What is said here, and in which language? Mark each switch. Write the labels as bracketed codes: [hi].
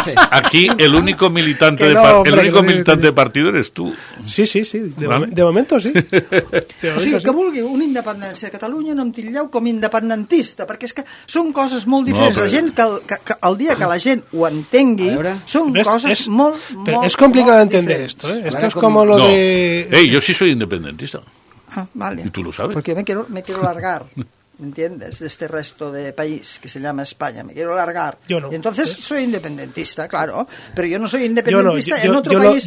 [es] Aquí el único militante de partido eres tú. Sí, de momento sí. [ca] O sigui, que vulgui una independència a Catalunya, no em tilleu com independentista, perquè és que són coses molt diferents. La gent que el dia que la gent ho entengui, són coses molt, molt... És complicat d'entendre [es] esto, Esto es como lo de... [ca] Ei, jo sí soy independentista. [es] Ah, vale. I tu lo sabes. Porque me quiero largar. ¿Entiendes? De este resto de país que se llama España. Me quiero largar. Yo no. Y entonces soy independentista, claro. Pero yo no soy independentista en otro país.